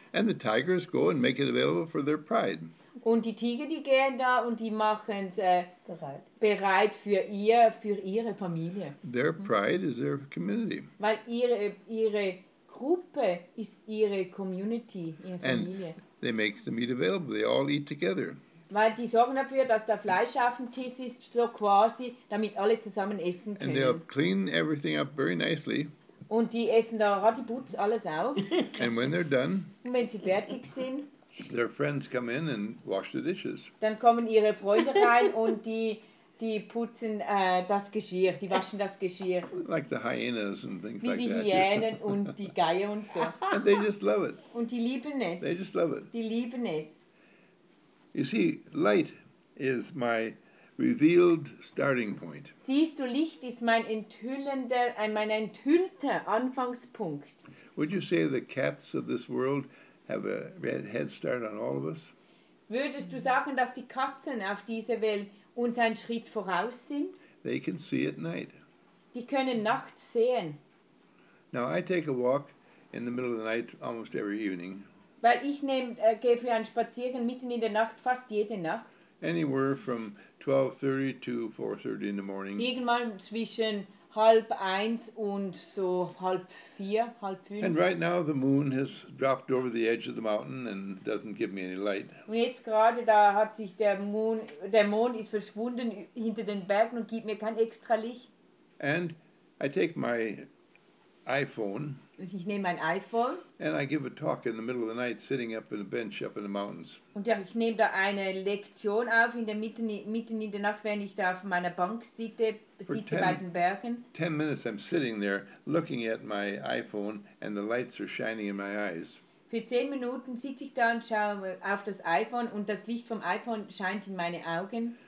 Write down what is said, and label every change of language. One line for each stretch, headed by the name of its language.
English: And the tigers go and make it available for their pride.
German: Und die Tiger, die gehen da und die machen es bereit für ihre Familie.
English: Their pride is their community.
German: Weil ihre Gruppe ist ihre Community, ihre Familie.
English: And they make the meat available. They all eat together.
German: Weil die sorgen dafür, dass der Fleisch auf dem Tisch ist, so quasi, damit alle zusammen essen können.
English: And they'll clean everything up very nicely.
German: Und die essen da ratibutz alles auf.
English: And when they're done,
German: und wenn sie fertig sind,
English: their friends come in and wash the dishes.
German: Dann kommen ihre Freunde rein und die putzen das Geschirr, die waschen das Geschirr.
English: Like the hyenas and things
German: wie
English: like
German: die
English: that.
German: Wie die Hyänen und die Geier und so.
English: And they just love it.
German: Und die lieben es.
English: They just love it.
German: Die lieben es.
English: You see, light is my revealed starting point.
German: Siehst du, Licht ist mein enthüllter Anfangspunkt.
English: Would you say the cats of this world have a head start on all of us?
German: Würdest du sagen, dass die Katzen auf dieser Welt uns einen Schritt voraus sind?
English: They can see at night.
German: Die können nachts sehen.
English: Now, I take a walk in the middle of the night almost every evening.
German: Weil ich gehe für einen Spaziergang mitten in der Nacht, fast jede Nacht.
English: Anywhere from 12:30 to 4:30 in the morning.
German: Irgendwann zwischen 12:30 und so 4:30, 5:30.
English: And right now the moon has dropped over the edge of the mountain and doesn't give me any light.
German: Und jetzt gerade da hat sich der Mond ist verschwunden hinter den Bergen und gibt mir kein extra Licht.
English: And I take my iPhone.
German: Ich nehme mein iPhone.
English: And I give a talk in the middle of the night, sitting up in a bench up in the mountains.
German: Und ja, ich nehme da eine Lektion auf in der mitten in der Nacht, wenn ich da auf meiner Bank sitze bei den Bergen.
English: 10 minutes I'm sitting there, looking at my iPhone, and the lights are shining in my eyes.
German: Für 10 Minuten sitze ich da und schaue auf das iPhone, und das Licht vom iPhone scheint in meine Augen.